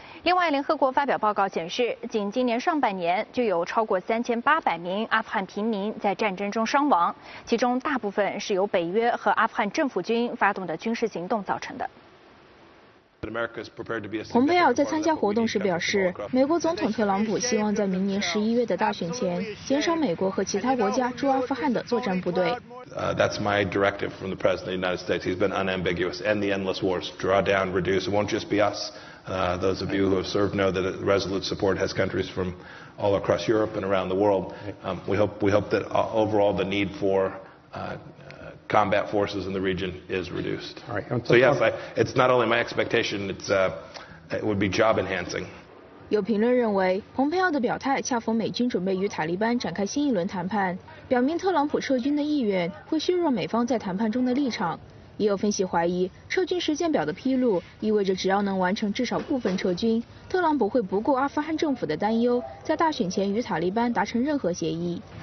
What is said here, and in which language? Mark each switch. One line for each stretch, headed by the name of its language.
Chinese: 另外，联合国发表报告显示，仅今年上半年就有超过3800名阿富汗平民在战争中伤亡，其中大部分是由北约和阿富汗政府军发动的军事行动造成的。蓬佩奥在参加活动时表示，美国总统特朗普希望在明年11月的大选前减少美国和其他国家驻阿富汗的作战部队。
English: That's my directive from the President of the United States. He's been unambiguous. End the endless wars. Draw down, reduce. It won't just be us. Those of you who have served know that resolute support has countries from all across Europe and around the world. We hope that overall the need for combat forces in the region is reduced. All right. So yes, it's not only my expectation, it would be job enhancing.
Chinese: 有评论认为，蓬佩奥的表态恰逢美军准备与塔利班展开新一轮谈判，表明特朗普撤军的意愿会削弱美方在谈判中的立场。也有分析怀疑，撤军时间表的披露意味着只要能完成至少部分撤军，特朗普会不顾阿富汗政府的担忧，在大选前与塔利班达成任何协议。